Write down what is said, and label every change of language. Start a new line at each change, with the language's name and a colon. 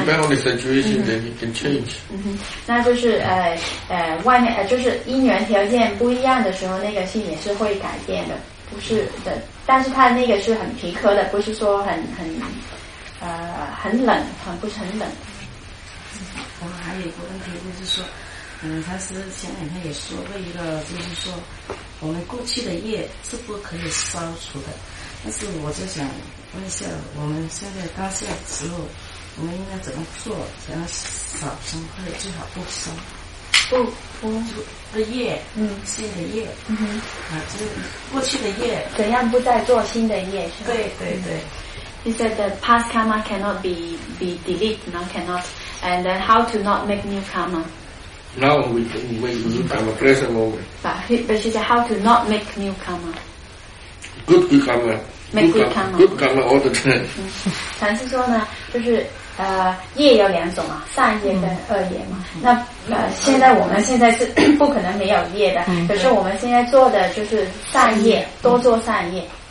English: Depend on the situation, then it can change.
Chinese: 那就是外面就是因缘条件不一样的时候，那个心也是会改变的，不是的。但是他那个是很平和的，不是说很冷，不是很冷。我还有一个问题，就是说，他是前两天也说过一个，就是说，我们过去的业是不可以消除的。但是我就想问一下，我们现在当下时候，我们应该怎么做，才能少生或者最好不生？不的业，新的业，就是过去的业，怎样不再做新的业？是吧？对对对。
English: He said the past karma cannot be deleted, no, cannot. And then how to not make new karma? Now we look at the present moment. But she said how to not make new karma. Good karma all the time.
Chinese: 禅师说呢，就是业有两种嘛，善业跟恶业嘛。那现在我们现在是不可能没有业的，可是我们现在做的就是善业，多做善业。